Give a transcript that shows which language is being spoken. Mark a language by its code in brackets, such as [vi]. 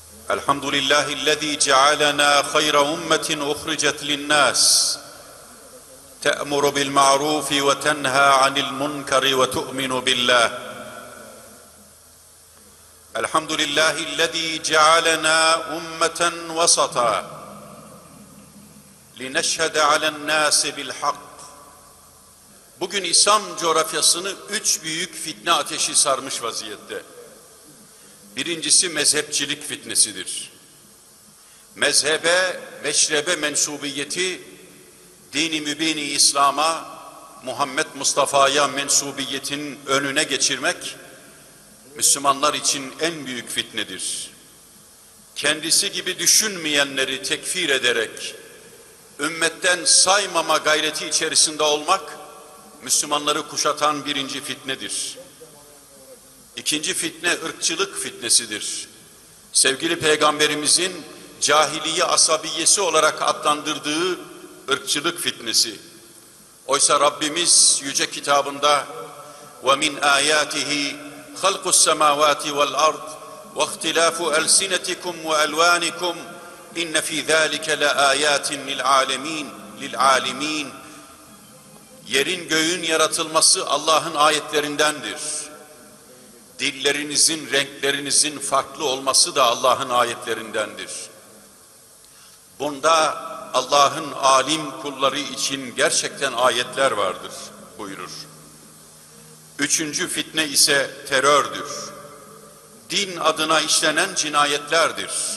[ar] الحمد لله الذي جعلنا خير أمة أخرجت للناس، تأمر بالمعروف وتنهى عن المنكر وتؤمن بالله. الحمد لله الذي جعلنا أمة وسطا لنشهد على الناس بالحق. [tr] Bugün İslam coğrafyasını üç büyük fitne ateşi sarmış vaziyette. Birincisi mezhepçilik fitnesidir. Mezhebe, meşrebe mensubiyeti, din-i mübini İslam'a, Muhammed Mustafa'ya mensubiyetin önüne geçirmek, Müslümanlar için en büyük fitnedir. Kendisi gibi düşünmeyenleri tekfir ederek, ümmetten saymama gayreti içerisinde olmak, Müslümanları kuşatan birinci fitnedir. İkinci fitne ırkçılık fitnesidir. Sevgili Peygamberimizin cahiliye asabiyesi olarak adlandırdığı ırkçılık fitnesi. Oysa Rabbimiz yüce kitabında [ar] وَمِنْ آيَاتِهِ خَلْقُ السَّمَاوَاتِ وَالْأَرْضِ وَاخْتِلَافُ أَلْسِنَتِكُمْ وَأَلْوَانِكُمْ اِنَّ فِي ذَٰلِكَ لَآيَاتٍ لِلْعَالِمِينَ [tr] Yerin göğün yaratılması Allah'ın ayetlerindendir. Dillerinizin, renklerinizin farklı olması da Allah'ın ayetlerindendir. Bunda Allah'ın alim kulları için gerçekten ayetler vardır, buyurur. Üçüncü fitne ise terördür. Din adına işlenen cinayetlerdir.